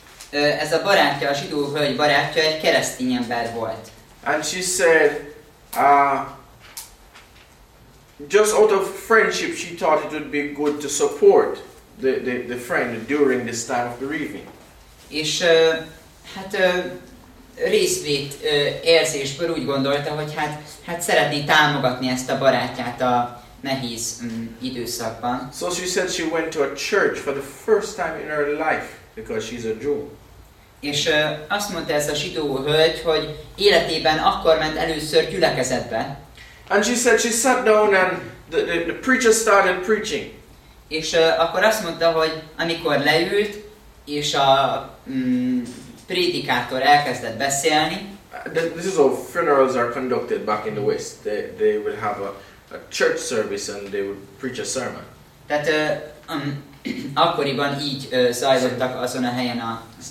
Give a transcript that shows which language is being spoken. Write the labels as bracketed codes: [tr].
[hu] Ez a barátja, a zsidó hölgy barátja egy keresztény ember volt. [en] And she said, just out of friendship, she thought it would be good to support the friend during this time of bereavement. [hu] És hát részvét érzésből úgy gondolta, hogy hát szeretné támogatni ezt a barátját a nehéz időszakban. [en] So she said she went to a church for the first time in her life because she's a Jew. [hu] És azt mondta ez a zsidó hölgy, hogy életében akkor ment először gyülekezetbe. [en] And she said she sat down and the preacher started preaching. [hu] És akkor azt mondta, hogy amikor leült és a prédikátor elkezdett beszélni. [en] This is how funerals are conducted back in the West. They will have a church service and they would preach a sermon. [hu] Tehát akkoriban így zajlottak azon a helyen a...